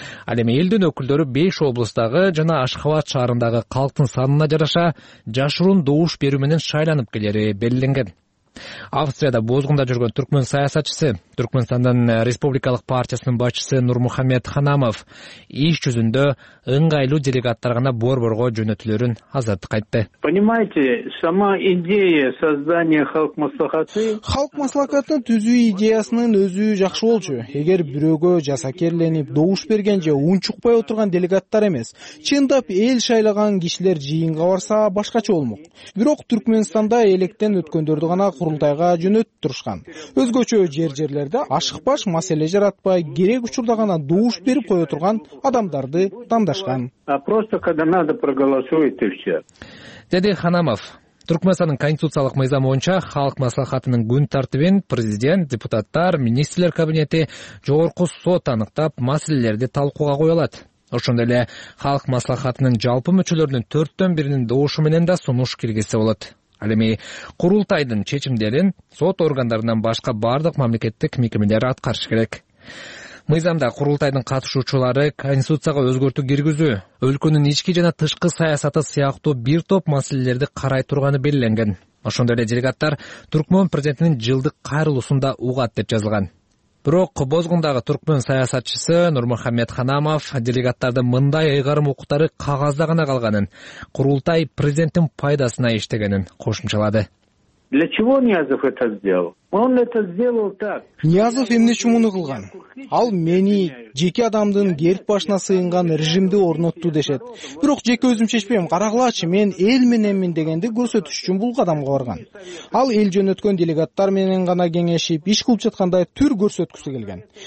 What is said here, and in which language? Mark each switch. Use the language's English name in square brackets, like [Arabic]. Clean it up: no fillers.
[Kyrgyz] Ал эми элдин өкүлдөрү 5 облустагы жана Ашхабад шаарындагы калктын санына жараша жашыруун добуш берүү менен шайланып келери белгиленген. Австрияда бозгунда жүргөн түркмөн саясатчысы, Туркменстандын республикалык партиясынын башчысы Нурмухамед Ханамов иш жүзүндө ыңгайлуу делегаттар гана борборго жөнөтүлөрүн Азаттык айтты. [Russian] Понимаете, сама идея создания халк маслахаты. [Kyrgyz] Халк маслахатын түзүү идеясынын өзү жакшы болчу. Эгер бирөөгө жасакерленип, добуш берген же унчукпай отурган делегаттар эмес, чындап эл шайлаган кишилер жыйынга барса башкача болмок. Бирок Туркменстанда электен өткөндөрдү гана курултайга жөнөтүп турушкан. Өзгөчө жер-жерлерде ашыкпаш маселе жаратпай, керек учурда гана добуш берип кое турган адамдарды тандашкан. [Russian] А просто когда надо проголосовать и всё. [Kyrgyz] Деди Ханамов. Туркменстандын конституциялык мыйзамы боюнча халк маслахатынын күн тартибин президент, депутаттар, министрлер кабинети, жогорку сот аныктап, маселелерди талкууга кое алат. Ошондой эле халк маслахатынын жалпы мүчөлөрүнүн 1/4 добушу менен да сунуш киргизсе болот. Ал эми курултайдын чечимдерин сот органдарынан башка бардык мамлекеттик мекемелер аткарышы керек. Мыйзамда курултайдын катышуучулары конституцияга өзгөртүү киргизүү, өлкөнүн ички жана тышкы саясаты сыяктуу бир топ маселелерди карай турганы белгиленген. Ошондой эле делегаттар Туркмен президентинин жылдык кайрылуусунда угат деп жазылган. Бирок бозгундагы туркмен саясатчысы Нурмухамед Ханамов делегаттардын мындай ыйгарым укуктары кагазда гана калганын, курултай президенттин пайдасына иштегенин кошумчалады. [Russian] Для чего Ниязов это сделал? Он это сделал так. [Kyrgyz] Ниязов эмне үчүн муну кылган? Ал мени жеке адамдын керп башына сыйынган режимди орнотту дешет. Бирок жеке өзүм чечпейм, карагылачы, мен эл мененмин дегенди көрсөтүш үчүн бул кадамга барган. Ал эл жөнөткөн делегаттар менен гана кеңешип, иш кылып жаткандай түр көрсөткүсү келген.